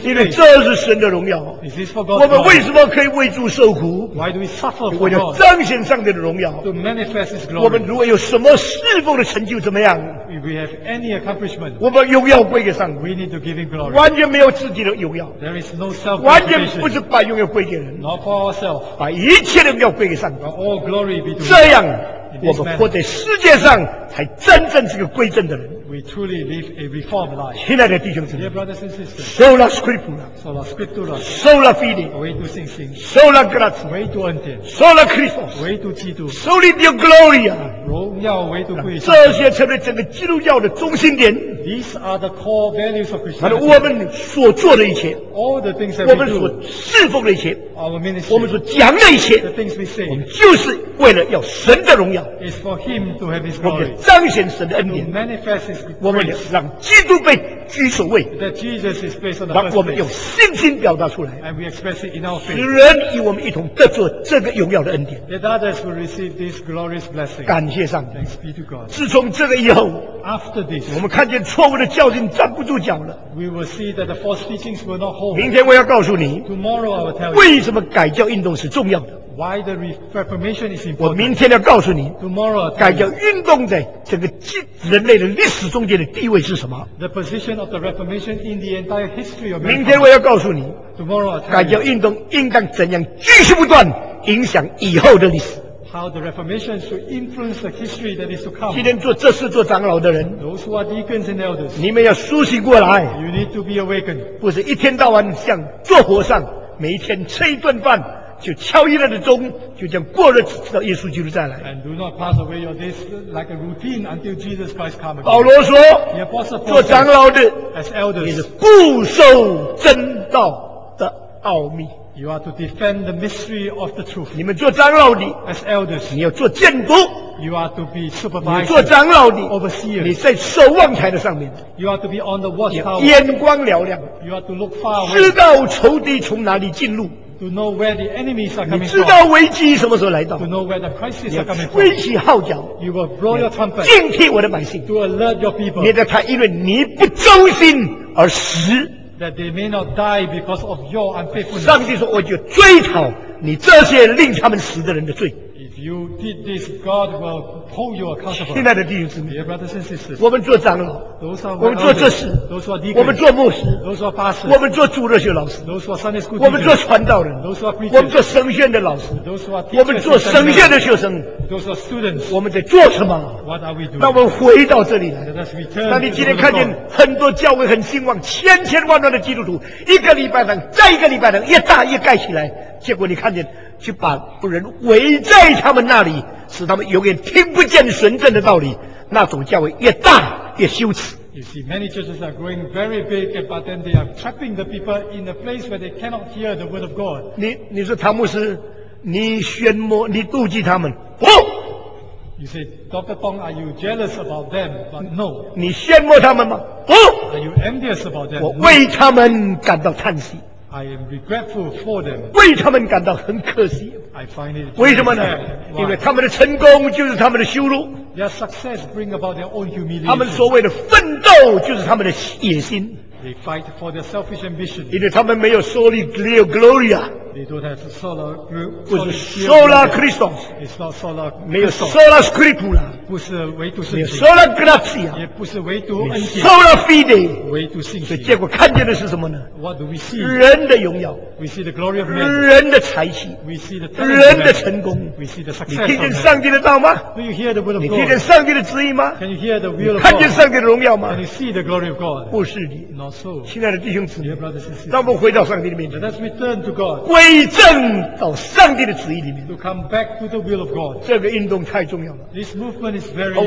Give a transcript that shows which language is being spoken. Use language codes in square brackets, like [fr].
[en] faith? [zh] 因为这是神的荣耀。 [en] Is this for God's glory? [zh] 我们为什么可以为主受苦？ [en] Why do we suffer for God? [zh] 为了彰显上帝的荣耀。 [en] To manifest His glory. [zh] 我们如果有什么侍奉的成就怎么样？ [en] If we have any accomplishment. [zh] 我们荣耀归给上帝。 [en] We need to give Him glory. [zh] 完全没有自己的荣耀，完全不是把荣耀归给人，把一切的荣耀归给上帝。这样，我们活在世界上才真正是个归正的人。 [en] we truly live a reformed life. [zh] 亲爱的弟兄姊妹 [en] Dear brothers and sisters, [la] Sola Scriptura, Sola Scriptura, Sola Fide, [zh] 唯独信心 [la] Sola Grazia, [zh] 唯独恩典 [la] Sola Christos, [zh] 唯独基督 [la] Soli Deo Gloria, [zh] 荣耀唯独归上这些成为整个基督教的中心点 [en] These are the core values of Christianity. [zh] 我们所做的一切 [en] All the things that we do, [zh] 我们所侍奉的一切 [en] Our ministry, [zh] 我们所讲的一切 [en] The things we say, [zh] 我们就是为了要神的荣耀 [en] It's for him to have his glory, [zh] 我们彰显神的恩典 [en] To manifest his grace, [zh] 我们让基督被居首位 [en] That Jesus is placed on the first place, [zh] 让我们用信心表达出来 [en] And we express it in our faith, [zh] 使人与我们一同得着这个荣耀的恩典 [en] That others will receive this glorious blessing, [zh] 感谢上帝 [en] Thanks be to God. [zh] 自从这个以后 [en] After this, [zh] 我们看见错误的教训站不住脚了 [en] We will see that the false teachings will not hold. [zh] 明天我要告诉你 [en] Tomorrow I will tell you, [zh] 为什么改教运动是重要的 [en] Why the reformation is important? [zh] 我明天要告诉你 [en] Tomorrow, [zh] 改革运动在整个人类的历史中间的地位是什么 [en] The position of the reformation in the entire history of [zh] 明天我要告诉你 [en] Tomorrow, [zh] 改革运动应当怎样继续不断影响以后的历史 [en] How the reformation should influence the history that is to come [zh] 今天做这事做长老的人 [en] Those who are deacons and elders [zh] 你们要苏醒过来 [en] You need to be awakened [zh] 不是一天到晚像坐火上每一天吃一顿饭就敲一了的钟就这样过日子直到耶稣基督再来 [en] and do not pass away your days like a routine until Jesus Christ comes again [zh] 保罗说 [en] the apostle Paul [zh] 做长老的 [en] as elders [zh] 你是固守真道的奥秘 [en] you are to defend the mystery of the truth [zh] 你们做长老的 [en] as elders [zh] 你要做监督 [en] you are to be supervisor [zh] 你做长老的 [en] overseer [zh] 你在守望台的上面 [en] you are to be on the watchtower [zh] 你眼光嘹亮 [en] you are to look far away [zh] 知道仇敌从哪里进入 [en] To know where the enemies are coming from. [zh] 你知道危机什么时候来到 [en] To know where the crisis are coming from. [zh] 你吹起号角 [en] You will blow your trumpet. [zh] 警惕我的百姓 [en] To alert your people. [zh] 免得他因为你不忠心而死 [en] That they may not die because of your unfaithfulness. [zh] 上帝说我就追讨你这些令他们死的人的罪 [en] If you did this, God will hold you accountable. [zh] 亲爱的弟兄姊妹 [en] Dear brothers and sisters. [zh] 我们做长老 [en] Those are [zh] 我们做这事 [en] Those are deacons. [zh] 我们做牧师 [en] Those are pastors. [zh] 我们做主日学老师 [en] Those are Sunday school [zh] 我们做传道人 [en] Those are preachers. [zh] 我们做神学院的老师 [en] Those are teachers. [zh] 我们做神学院的学生 [en] Those are students. [zh] 我们在做什么 [en] What are we doing? [zh] 那我们回到这里来 [en] Let us return. [zh] 当你今天看见很多教会很兴旺千千万万的基督徒一个礼拜堂再一个礼拜堂越大越盖起来结果你看见去把人围在他们那里使他们永远听不见神正的道理那种教会越大越羞耻 [en] You see, many churches are growing very big but then they are trapping the people in a place where they cannot hear the word of God [zh] 你是唐牧师你宣摩你妒忌他们不 [en] You say, Dr. Tong, are you jealous about them? But no [zh] 你宣摩他们吗不 [en] Are you envious about them? [zh] 我为他们感到叹息 [en] I am regretful for them. [zh] 为他们感到很可惜。 [en] I find it. [zh] 为什么呢？因为他们的成功就是他们的羞辱。 [en] Their success bring about their own humiliation. [zh] 他们所谓的奋斗就是他们的野心。 [en] They fight for their selfish ambition. [zh] 因为他们没有 [la] soli deo gloria. [en] They don't have sola. [zh] 不是 [la] sola Christos. [en] It's not sola. [zh] 没有 [la] sola scriptura. [zh] 不是唯独圣经。没有 [la] sola gratia. [zh] 也不是唯独恩典。 [la] sola fide. [zh] 唯独信心。所以结果看见的是什么呢 [en] ？What do we see? [zh] 人的荣耀。 [en] We see the glory of man. [zh] 人的才气。 [en] We see the talent. [zh] 人的成功。 [en] We see the success. [zh] 你听见上帝的道吗 [en] ？Do you hear the word of God? [zh] 你听见上帝的旨意吗 [en] ？Can you hear the will of God? [zh] 看见上帝的荣耀吗 [en] ？Can you see the glory of God? [zh] 不是你。亲爱的弟兄姊妹，让我们回到上帝的面前 [en] Let's return to God, [zh] 归正到上帝的旨意里面 [en] to come back to the will of God. [zh] 这个运动太重要了 [en] This movement is very important.